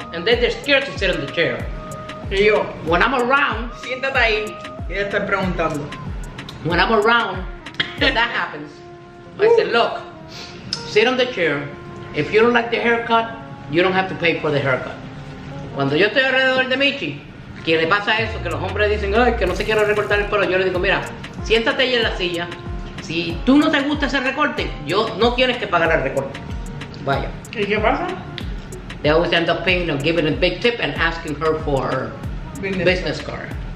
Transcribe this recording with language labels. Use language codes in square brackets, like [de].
[en] And then they're scared to sit in the chair. [es] Y yo, [en] when I'm around, [es] siéntate ahí, y ella está preguntando. [en] When I'm around, when that happens, I say, look, sit on the chair. If you don't like the haircut, you don't have to pay for the haircut. [es] Cuando yo estoy alrededor de Michi, quien le pasa eso, que los hombres dicen, ay, que no se quiere recortar el pelo, yo le digo, mira, siéntate ahí en la silla. Si tú no te gusta ese recorte, yo no tienes que pagar el recorte. Vaya. ¿Y qué pasa? [en] They always end up paying or giving a big tip and asking her for her business card.